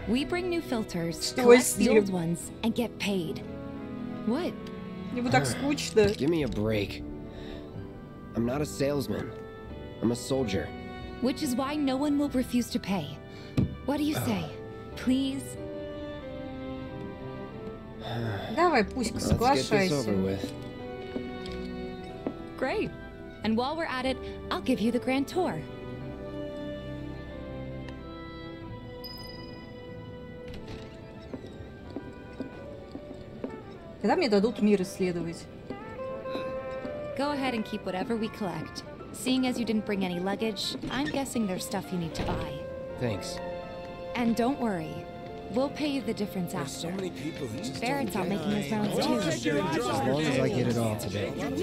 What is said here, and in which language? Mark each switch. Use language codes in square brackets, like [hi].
[en] We bring new filters, collect the old ones, and get paid. What? [ru] Ему так скучно. [en] Give me a break. I'm not a salesman. I'm a soldier. Which is why no one will refuse to pay. What do you say? Please? [ru] Давай, пусть соглашайся. [en] Great. And while we're at it, I'll give you the grand tour. [ru] Когда мне дадут мир исследовать? [en] Go ahead and keep whatever we collect. Seeing as you didn't bring any luggage, I'm guessing there's stuff you need to buy. Thanks. And don't worry. We'll pay you the difference after. Barrett's out making his rounds too. As long as I get it all today.